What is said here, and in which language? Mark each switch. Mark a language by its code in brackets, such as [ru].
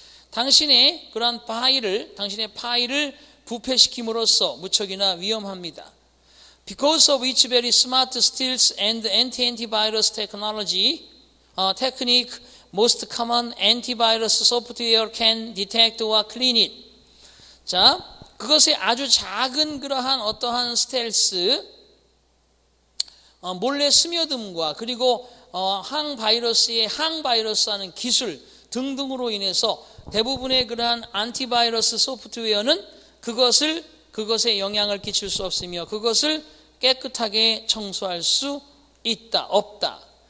[ko] 당신의 그런 파일을, 당신의 파일을 부패시킴으로써 무척이나 위험합니다. [en] Because of its very smart stealth and antivirus technology, technique, Most common antivirus software can detect or clean it. [ko] 자, 그것의 아주 작은 그러한 어떠한 스텔스, 몰래 스며듦과 그리고 항바이러스라는 기술 등등으로 인해서 대부분의 그러한 안티바이러스 소프트웨어는 그것에 영향을 끼칠 수 없으며 그것을 깨끗하게 청소할 수 있다, 없다.